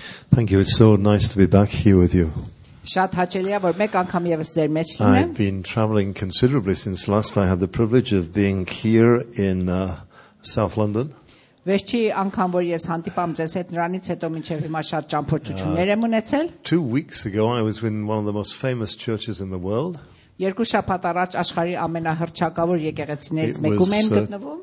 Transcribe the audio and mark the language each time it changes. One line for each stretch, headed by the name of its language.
English: Thank you. It's so nice to be back here with you.
Armenian: Շատ հաճելի է որ մեկ անգամ եւս ձեր մեջ լինեմ.
English: I've been traveling considerably since last I had the privilege of being here in South London.
Armenian: Վերջի անգամ որ ես հանդիպամ ձեզ հետ նրանից հետո մինչեւ հիմա շատ ճամփորդություններ եմ ունեցել.
English: 2 weeks ago I was in one of the most famous churches in the world.
Armenian: Երկու շաբաթ առաջ աշխարհի ամենահռչակավոր եկեղեցիներից մեկում եմ գտնվում.